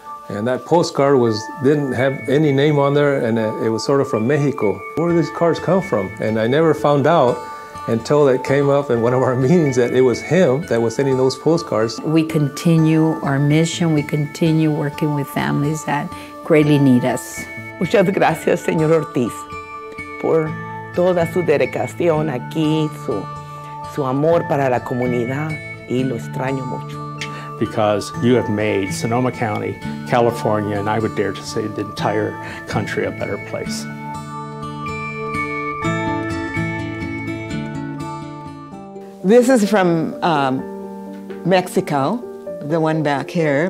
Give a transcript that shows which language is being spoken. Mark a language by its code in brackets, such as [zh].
[en] And that postcard didn't have any name on there, and it was sort of from Mexico. Where do these cards come from? And I never found out until it came up in one of our meetings that it was him that was sending those postcards. We continue our mission. We continue working with families that greatly need us. [es] Muchas gracias, Señor Ortiz, por toda su dedicación aquí, su amor para la comunidad, y lo extraño mucho. [en] Because you have made Sonoma County, California, and I would dare to say the entire country a better place. This is from Mexico, the one back here.